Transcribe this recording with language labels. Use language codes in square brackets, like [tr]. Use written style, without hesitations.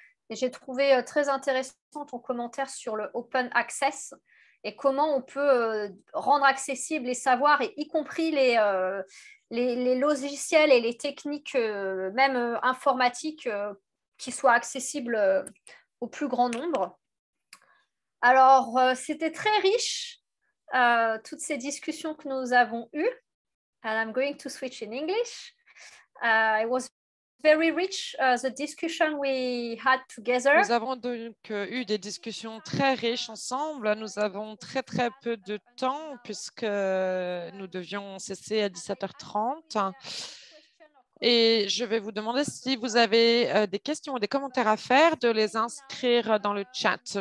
[fr] Et j'ai trouvé très intéressant ton commentaire sur le open access et comment on peut rendre accessibles les savoirs, et y compris les logiciels et les techniques, même informatiques, qui soient accessibles au plus grand nombre. Alors, c'était très riche, toutes ces discussions que nous avons eues. [en] And I'm going to switch in English. It was very rich, the discussion we had together. [fr] Nous avons donc eu des discussions très riches ensemble. Nous avons très, très peu de temps puisque nous devions cesser à 17h30. Et je vais vous demander si vous avez des questions ou des commentaires à faire, de les inscrire dans le chat.